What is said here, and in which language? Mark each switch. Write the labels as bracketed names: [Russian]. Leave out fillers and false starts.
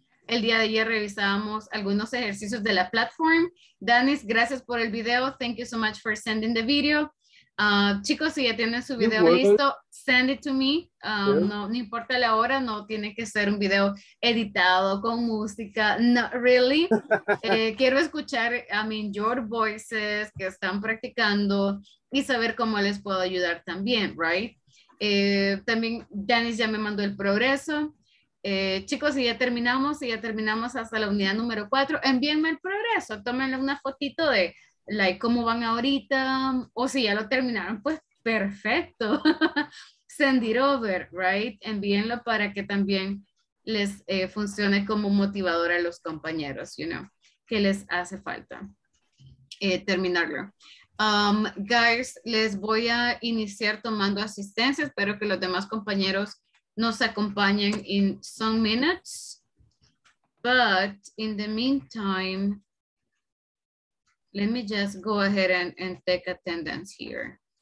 [Spanish] El día de ayer revisábamos algunos ejercicios de la platform. Danis, gracias por el video. [English] Thank you so much for sending the video. [Spanish] Chicos, si ya tienen su video listo, [English] send it to me. [Spanish] No importa la hora, no tiene que ser un video editado con música. [English] No, really. [Spanish] quiero escuchar, [English] your voices [Spanish] que están practicando y saber cómo les puedo ayudar también, right? También, Janice ya me mandó el progreso. Chicos, si ya terminamos hasta la unidad número 4, envíenme el progreso. Tómenle una fotito de... [English] like, [Spanish] ¿cómo van ahorita? O si ya lo terminaron, pues perfecto. [English] Send it over, right? [Spanish] Envíenlo para que también les funcione como motivador a los compañeros, [English] you know, [Spanish] que les hace falta terminarlo. Guys, les voy a iniciar tomando asistencia. Espero que los demás compañeros nos acompañen [English] in some minutes. But in the meantime... let me just go ahead and take attendance here.